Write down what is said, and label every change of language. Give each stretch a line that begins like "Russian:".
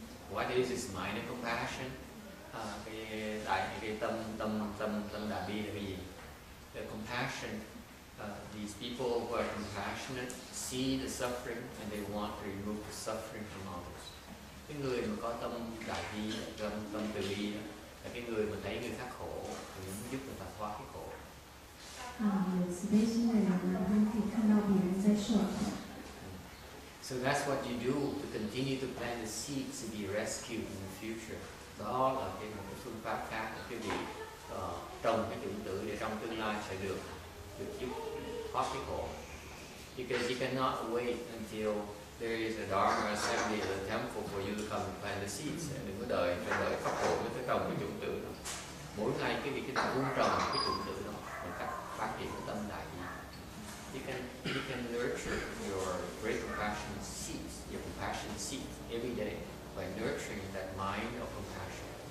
English: What is this mind of compassion?
Vietnamese: Cái tâm đại bi là cái gì?
English: The compassion. These people who are compassionate see the suffering and they want to remove the suffering from others.
Vietnamese: Cái người mà có tâm đại bi, tâm từ bi là cái người mà thấy người khác khổ thì muốn giúp người ta thoát cái khổ.
English: So that's what you do to continue to plant the seed to be rescued in the future.
Vietnamese: Đó là cái một cái phương pháp khác để quý vị trồng cái chủng tử để trong tương lai sẽ được giúp.
English: Because you cannot wait until there is a Dharma assembly in the temple for you to come and plant the seeds.
Vietnamese: And đừng có đợi, phải đợi pháp hội mới tới trồng cái chủng tử đó. Mỗi ngày cái việc chúng ta vun trồng cái chủng tử đó bằng cách phát triển cái tâm đại bi.
English: You can nurture your great compassion seeds, your compassion seeds every day by nurturing that mind of compassion.